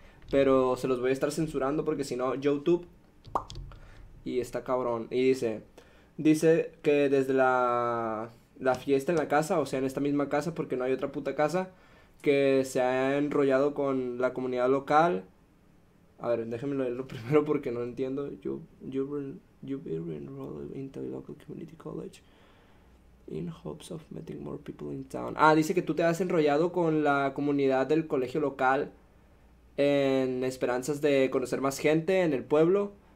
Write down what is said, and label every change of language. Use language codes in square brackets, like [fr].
[es] Pero se los voy a estar censurando porque si no, YouTube. Y está cabrón. Y dice. Dice que desde la fiesta en la casa. O sea, en esta misma casa. Porque no hay otra puta casa. Que se ha enrollado con la comunidad local. A ver, déjenme leerlo primero porque no entiendo. [en] You've been enrolled in the local community college. In hopes of meeting more people in town. [es] Ah, dice que tú te has enrollado con la comunidad del colegio local en esperanzas de conocer más gente en el pueblo.